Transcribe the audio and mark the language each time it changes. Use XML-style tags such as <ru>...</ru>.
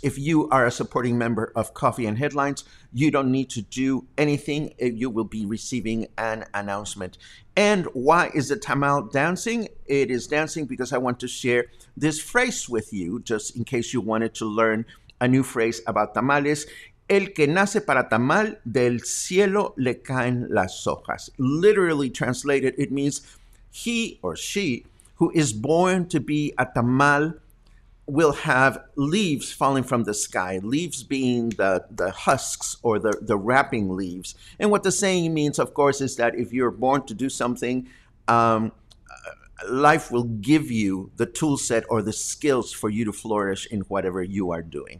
<en>If you are a supporting member of Coffee and Headlines, you don't need to do anything. You will be receiving an announcement. And why is the tamal dancing? It is dancing because I want to share this phrase with you, just in case you wanted to learn a new phrase about tamales.</en> <es>El que nace para tamal, del cielo le caen las hojas.</es> <en>Literally translated, it means he or she who is born to be a tamal will have leaves falling from the sky, leaves being the husks or the wrapping leaves. And what the saying means, of course, is that if you're born to do something, life will give you the tool set or the skills for you to flourish in whatever you are doing.</en>